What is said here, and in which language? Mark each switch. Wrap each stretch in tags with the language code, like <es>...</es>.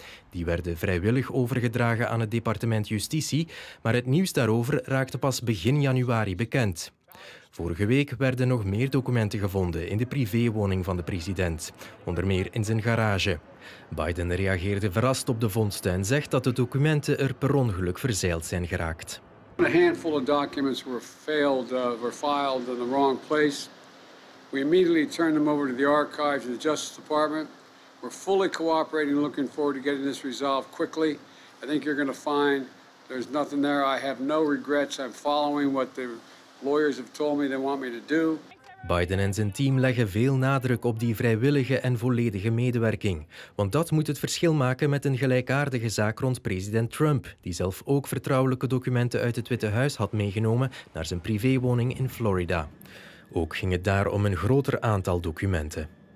<nl>Die werden vrijwillig overgedragen aan het departement Justitie, maar het nieuws daarover raakte pas begin januari bekend. Vorige week werden nog meer documenten gevonden in de privéwoning van de president, onder meer in zijn garage. Biden reageerde verrast op de vondsten en zegt dat de documenten er per ongeluk verzeild zijn geraakt.</nl> <en>A handful of documents were filed in the wrong place. We immediately turned them over to the archives of the Justice Department. We're fully cooperating, looking forward to getting this resolved quickly. I think you're going to find there's nothing there. I have no regrets. I'm following what the lawyers have told me they want me to do.</en> <nl>Biden en zijn team leggen veel nadruk op die vrijwillige en volledige medewerking. Want dat moet het verschil maken met een gelijkaardige zaak rond president Trump, die zelf ook vertrouwelijke documenten uit het Witte Huis had meegenomen naar zijn privéwoning in Florida. Ook ging het daar om een groter aantal documenten.</nl>